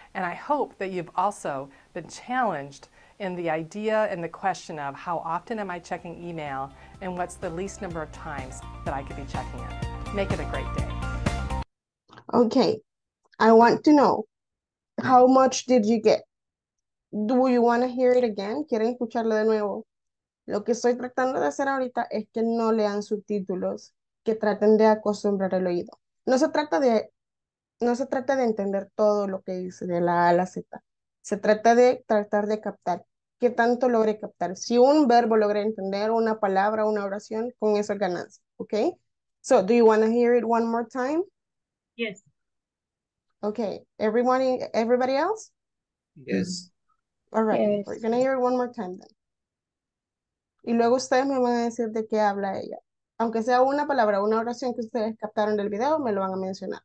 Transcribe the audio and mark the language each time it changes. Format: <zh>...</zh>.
<en>And I hope that you've also been challenged in the idea and the question of how often am I checking email and what's the least number of times that I could be checking it. Make it a great day. Okay. I want to know, how much did you get? Do you want to hear it again?</en> <es>¿Quieren escucharlo de nuevo? Lo que estoy tratando de hacer ahorita es que no lean subtítulos, que traten de acostumbrar el oído. No se trata de entender todo lo que dice de la A a la Z. Se trata de tratar de captar. ¿Qué tanto logré captar? Si un verbo logré entender, una palabra, una oración, con eso ganas.</es> <en>Okay? So, do you want to hear it one more time? Yes. Okay. Everybody else? Yes. All right, yes. We're going to hear it one more time then.</en> <es>Y luego ustedes me van a decir de qué habla ella. Aunque sea una palabra, una oración que ustedes captaron del video, me lo van a mencionar.</es>